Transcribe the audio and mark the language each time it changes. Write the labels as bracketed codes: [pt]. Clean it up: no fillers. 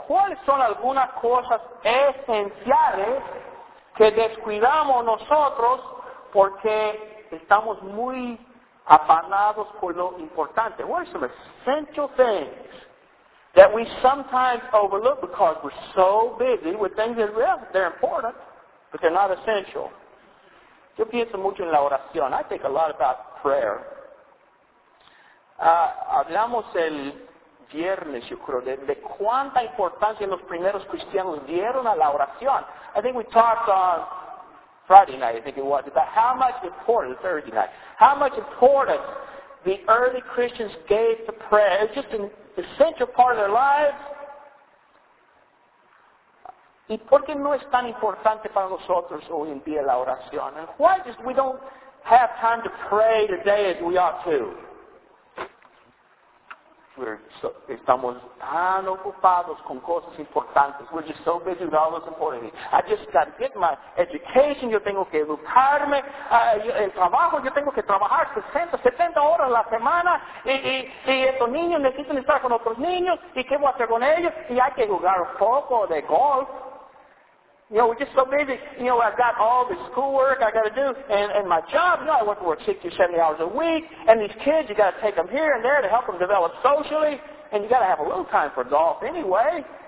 [es] ¿Cuáles son algunas cosas esenciales que descuidamos nosotros porque estamos muy afanados por lo importante? [en] What are some essential things that we sometimes overlook because we're so busy with things that they're important, but they're not essential? [es] Yo pienso mucho en la oración. [en] I think a lot about prayer. [es] Hablamos el viernes, yo creo, de cuánta importancia los primeros cristianos dieron a la oración. [en] I think we talked on Friday night, I think it was, about how much importance, Thursday night, how much importance the early Christians gave to prayer. It's just an essential part of their lives. [es] ¿Y por qué no es tan importante para nosotros hoy en día la oración? [en] And why just we don't have time to pray today as we ought to? [es] Estamos tan ocupados con cosas importantes. [en] We're just so busy with all those important things. I just got to get my education. [es] Yo tengo que educarme. El trabajo, yo tengo que trabajar 60, 70 horas a la semana. Y estos niños necesitan estar con otros niños. ¿Y qué voy a hacer con ellos? Y hay que jugar un poco de golf. [en] You know, we're just so busy. You know, I've got all the schoolwork I got to do, and my job. You know, I work for 60 or 70 hours a week, and these kids, you got to take them here and there to help them develop socially, and you got to have a little time for golf anyway.